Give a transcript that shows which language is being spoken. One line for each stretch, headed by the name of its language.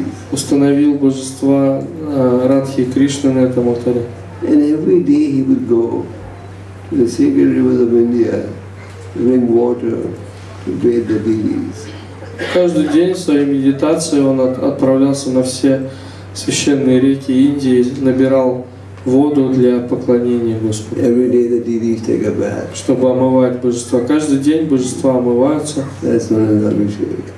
Russian: Установил божества Радхи и Кришны на этом алтаре.
English: And every day he would go to the sacred rivers of India, drink water to bathe the deities.
Russian: Каждый день в своей медитации он отправлялся на все священные реки Индии, набирал воду для поклонения Господу.
English: Every day the deities take a bath.
Russian: Чтобы омывать божества. Каждый день божества омываются.
English: That's known as Abhisheka.